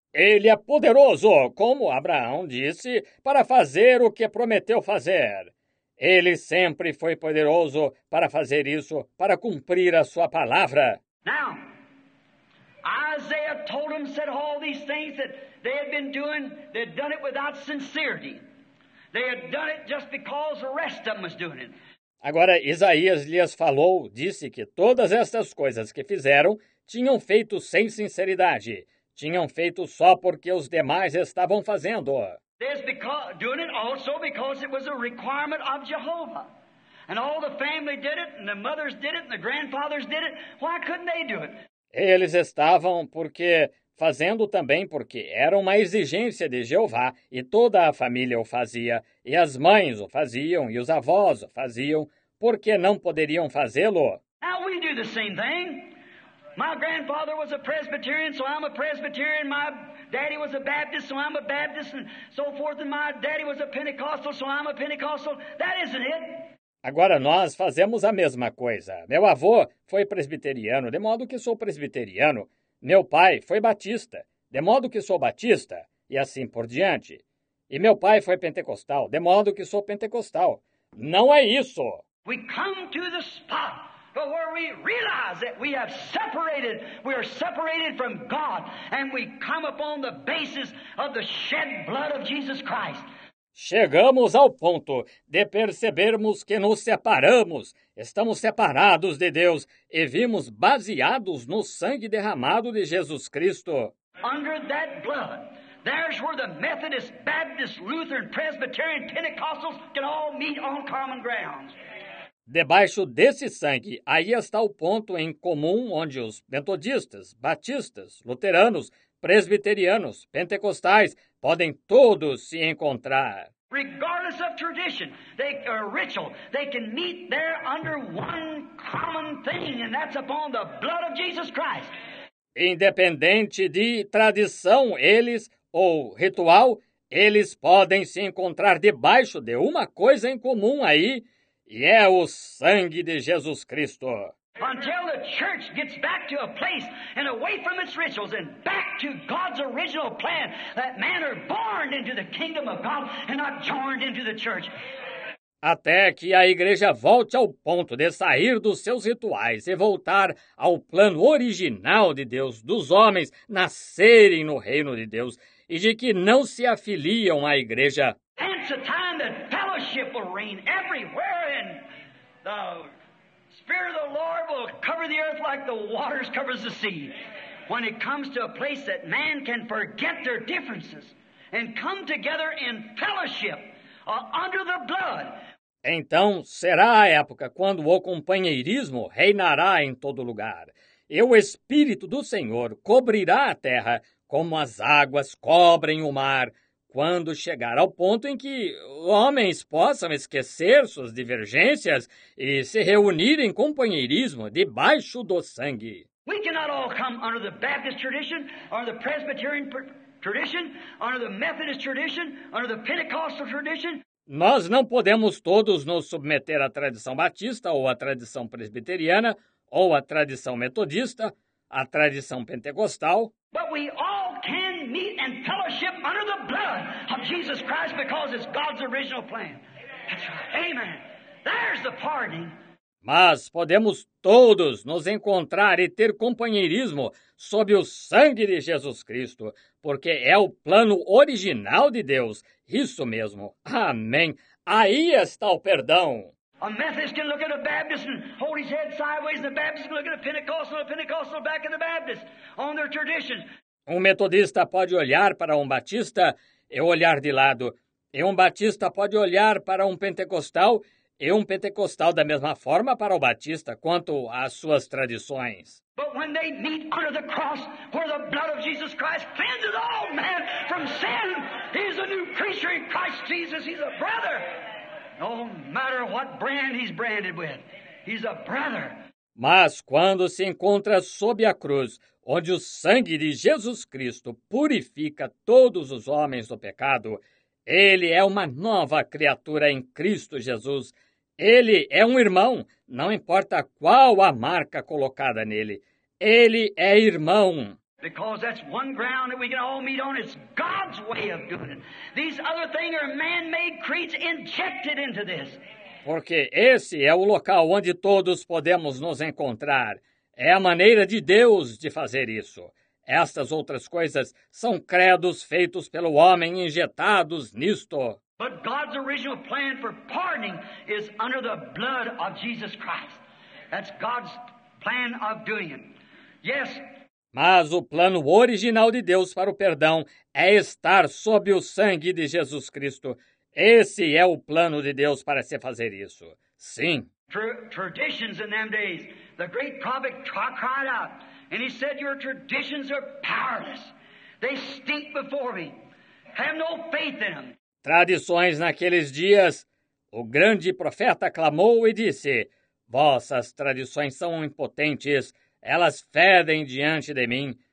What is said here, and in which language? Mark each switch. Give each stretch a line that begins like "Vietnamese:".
Portuguese: Ele é poderoso, como Abraão disse, para fazer o que prometeu fazer. Ele sempre foi poderoso para fazer isso, para cumprir a sua palavra.
English: Now, Isaiah told him, said all these things that they had been doing, they had done it without sincerity. They had done it just because the rest of them was doing it.
Portuguese: Agora, Isaías lhes falou, disse que todas estas coisas que fizeram tinham feito sem sinceridade. Tinham feito só porque os demais estavam fazendo.
English: Doing it also because it was a requirement of Jehovah. And all the family did it, and the mothers did it, and the grandfathers did it. Why couldn't they do it?
Portuguese: Eles estavam porque fazendo também porque era uma exigência de Jeová, e toda a família o fazia, e as mães o faziam, e os avós o faziam, porque não poderiam fazê-lo?
English: Now we do the same thing. My grandfather was a Presbyterian, so I'm a Presbyterian. My daddy was a Baptist, so I'm a Baptist, and so forth. And my daddy was a Pentecostal, so I'm a Pentecostal. That isn't it.
Portuguese: Agora nós fazemos a mesma coisa. Meu avô foi presbiteriano, de modo que sou presbiteriano. Meu pai foi batista, de modo que sou batista, e assim por diante. E meu pai foi pentecostal, de modo que sou pentecostal. Não é isso!
English: We come to the spot where we realize that we have separated, we are separated from God, and we come upon the basis of the shed blood of Jesus Christ.
Portuguese: Chegamos ao ponto de percebermos que nos separamos, estamos separados de Deus e vimos baseados no sangue derramado de Jesus Cristo.
English: Under that blood, there's where the Methodist, Baptist, Lutheran, Presbyterian, Pentecostals can all meet on common ground.
Portuguese: Debaixo desse sangue, aí está o ponto em comum onde os metodistas, batistas, luteranos, presbiterianos, pentecostais, podem todos se encontrar.
English: Regardless of tradition, or ritual, they can meet there under one common thing, and that's upon the blood of Jesus Christ.
Portuguese: Independente de tradição, eles, ou ritual, eles podem se encontrar debaixo de uma coisa em comum aí, e é o sangue de Jesus Cristo.
English: Until the church gets back to a place and away from its rituals and back to God's original plan, that man are born into the kingdom of God and not joined into the church.
Portuguese: Até que a igreja volte ao ponto de sair dos seus rituais e voltar ao plano original de Deus, dos homens nascerem no reino de Deus e de que não se afiliam à igreja.
English: It's a time that fellowship will reign everywhere in the Spirit of the Lord will cover the earth like the waters covers the sea. When it comes to a place that man can forget their differences and come together in fellowship under the blood.
Portuguese: Então será a época quando o companheirismo reinará em todo lugar. E o Espírito do Senhor cobrirá a terra como as águas cobrem o mar. Quando chegar ao ponto em que homens possam esquecer suas divergências e se reunir em companheirismo debaixo do sangue.
English: We cannot all come under the Baptist tradition, under the Presbyterian tradition, under the Methodist tradition, under the Pentecostal tradition.
Portuguese: Nós não podemos todos nos submeter à tradição batista ou à tradição presbiteriana ou à tradição metodista, à tradição pentecostal.
English: But we all can meet and fellowship under the blood of Jesus Christ because it's God's original plan. That's right. Amen. There's the pardon.
Portuguese: Mas podemos todos nos encontrar e ter companheirismo sob o sangue de Jesus Cristo, porque é o plano original de Deus. Isso mesmo. Amém. Aí está o perdão.
English: A Methodist can look at a Baptist and hold his head sideways, and a Baptist can look at a Pentecostal back at the Baptist on their tradition.
Portuguese: Um metodista pode olhar para um batista e olhar de lado. E um batista pode olhar para um pentecostal e um pentecostal da mesma forma para o batista quanto às suas tradições.
English: But when they meet under the cross where the blood of Jesus Christ cleanses all man from sin, he's a new creature in Christ Jesus, he's a brother. No matter what brand he's branded with, he's a brother.
Portuguese: Mas quando se encontra sob a cruz, onde o sangue de Jesus Cristo purifica todos os homens do pecado, ele é uma nova criatura em Cristo Jesus. Ele é um irmão, não importa qual a marca colocada nele. Ele é irmão.
English: Because that's one ground that we can all meet on. It's God's way of doing it. These other things are man-made creeds injected into this.
Portuguese: Porque esse é o local onde todos podemos nos encontrar. É a maneira de Deus de fazer isso. Estas outras coisas são credos feitos pelo homem injetados nisto.
English: But God's original plan for pardoning is under the blood of Jesus Christ. That's God's plan of doing it. Yes.
Portuguese: Mas o plano original de Deus para o perdão é estar sob o sangue de Jesus Cristo. Esse é o plano de Deus para se fazer isso. Sim.
English: Traditions in them days, the great prophet cried out, and he said, "Your traditions are powerless. They stink before me. Have no faith in them."
Portuguese: Tradições naqueles dias, o grande profeta clamou e disse, "Vossas tradições são impotentes. Elas fedem diante de mim.